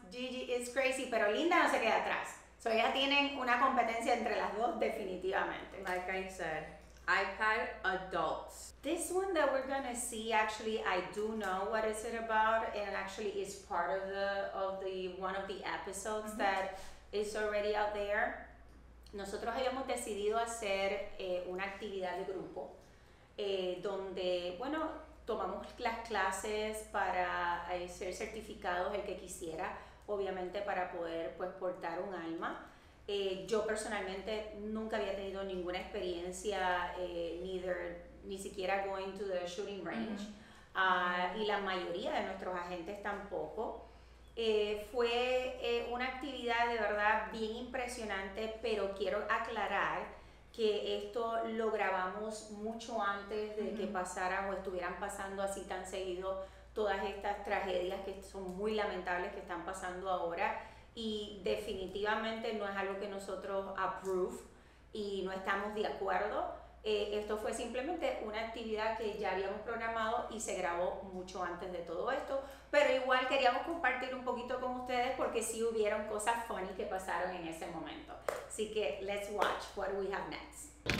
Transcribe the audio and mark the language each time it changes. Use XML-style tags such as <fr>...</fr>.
<en>Gigi is crazy,</en> <es>pero Linda no se queda atrás. So ella tiene una competencia entre las dos definitivamente.</es> <en>Like I said, iPad adults. This one that we're gonna see, actually, I do know what is it about, and actually is part of one of the episodes that is already out there.</en> <es>Nosotros habíamos decidido hacer una actividad de grupo donde, bueno, tomamos las clases para ser certificados el que quisiera, obviamente para poder pues portar un alma. Yo personalmente nunca había tenido ninguna experiencia, ni siquiera</es> <en>going to the shooting range,</en> <es>y la mayoría de nuestros agentes tampoco. Fue una actividad de verdad bien impresionante, pero quiero aclarar que esto lo grabamos mucho antes de que pasara o estuvieran pasando así tan seguido todas estas tragedias que son muy lamentables que están pasando ahora, y definitivamente no es algo que nosotros approve y no estamos de acuerdo. Esto fue simplemente una actividad que ya habíamos programado y se grabó mucho antes de todo esto, pero igual queríamos compartir un poquito con ustedes porque sí hubieron cosas funny que pasaron en ese momento. Así que</es> <en>let's watch what we have next.</en>